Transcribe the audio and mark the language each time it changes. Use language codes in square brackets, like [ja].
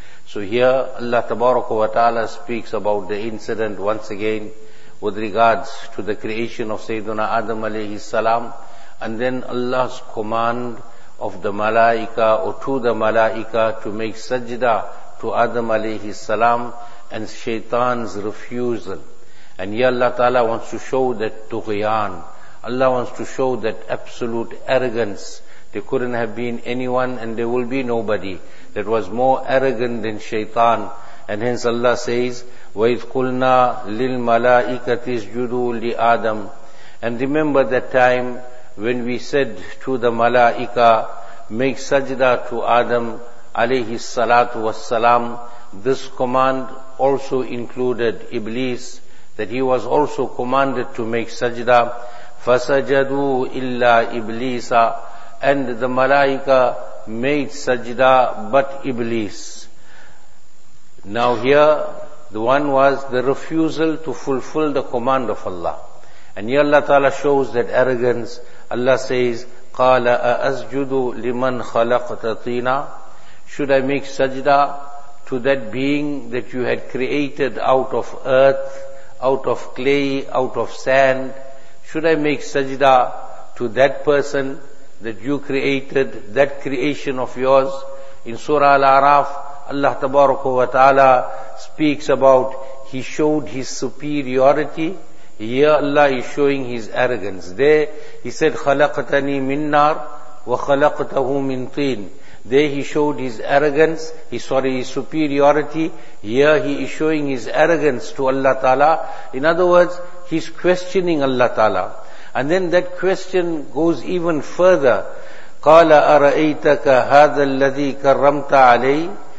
[en] So here Allah Tabaraka wa Ta'ala speaks about the incident once again with regards to the creation of Sayyiduna Adam alayhi salam, and then Allah's command of the malaika, or to the malaika, to make sajda to Adam alayhi salam, and shaitan's refusal. And here Allah Ta'ala wants to show that tughyan. Allah wants to show that absolute arrogance. There couldn't have been anyone and there will be nobody that was more arrogant than shaitan. And hence Allah says, [ar] وَإِذْ قُلْنَا لِلْمَلَائِكَةِ اسْجُدُوا لِآدَمْ. [en] And remember that time when we said to the malaika, make sajda to Adam alayhi salatu wassalam, this command also included Iblis, that he was also commanded to make sajda. [ar] Fasajadu illa Iblisa, [en] and the malaika made sajda but Iblis. Now here, the one was the refusal to fulfill the command of Allah. And here Allah Ta'ala shows that arrogance. Allah says, [ar] قَالَ أَأَسْجُدُ لِمَنْ خَلَقْتَ طِينَا. [en] Should I make sajda to that being that you had created out of earth, out of clay, out of sand? Should I make sajda to that person that you created, that creation of yours? In Surah Al-A'raf, Allah Tabaraka wa Ta'ala speaks about He showed His superiority. Here Allah is showing His arrogance. There He said, [ar] خَلَقْتَنِي مِن نَار وَخَلَقْتَهُ مِن طِين. [en] There He showed His arrogance, His superiority. Here He is showing His arrogance to Allah Ta'ala. In other words, He's questioning Allah Ta'ala. And then that question goes even further. [ar] قَالَ أَرَأَيْتَكَ هَذَا الَّذِي كَرَّمْتَ عَلَيْهِ.